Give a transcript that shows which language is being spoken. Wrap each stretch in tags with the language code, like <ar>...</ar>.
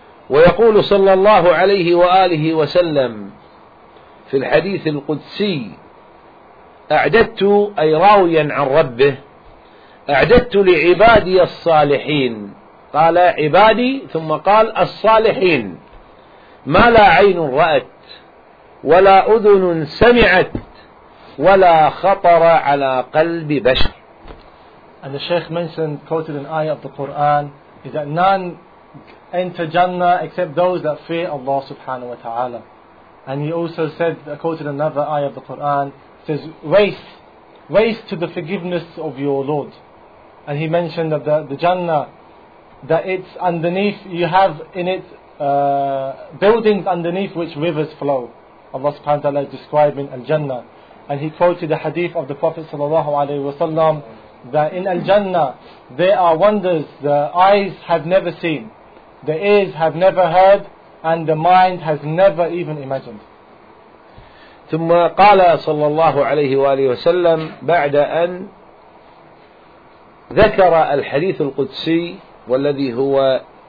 <ar>ويقول صلى الله عليه وآله وسلم في الحديث القدسي أعددت، أي راويا عن ربه، أعددت لعبادي الصالحين، قال عبادي ثم قال الصالحين، ما لا عين رأت ولا أذن سمعت ولا خطر على قلب بشر.</ar> <en>And the Sheikh mentioned, quoted an ayah of the Quran, is that none enter Jannah except those that fear Allah subhanahu wa ta'ala. And he also said, quoted another ayah of the Quran, says, waste to the forgiveness of your Lord. And he mentioned that the Jannah, that it's underneath, you have in it buildings underneath which rivers flow. Allah subhanahu wa ta'ala is describing Al-Jannah. And he quoted the hadith of the Prophet sallallahu alayhi wa sallam, that in Al-Jannah there are wonders the eyes have never seen, the ears have never heard, and the mind has never even imagined.</en> <ar>ثم قال صلى الله عليه وآله وسلم بعد أن ذكر الحديث القدسي والذي هو</ar>